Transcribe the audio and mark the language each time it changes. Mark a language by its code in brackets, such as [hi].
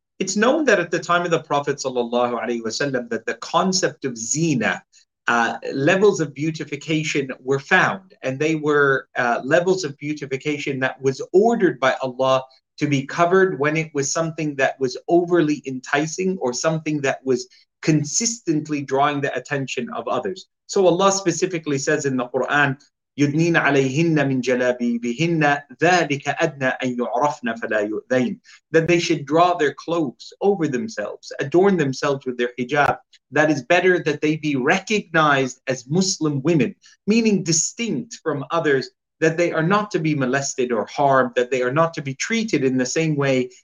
[en] It's known that at the time of the Prophet sallallahu alaihi wasallam, that the concept of zina, levels of beautification were found, and they were levels of beautification that was ordered by Allah to be covered when it was something that was overly enticing or something that was consistently drawing the attention of others. So Allah specifically says in the Quran, [ar] يُدْنِينَ عَلَيْهِنَّ مِنْ جَلَابِيبِهِنَّ ذَلِكَ أَدْنَى أَنْ يُعْرَفْنَ فَلَا يُؤْذَيْنَ. [en] That they should draw their cloaks over themselves, adorn themselves with their hijab. That is better that they be recognized as Muslim women, meaning distinct from others, that they are not to be molested or harmed, that they are not to be treated in the same way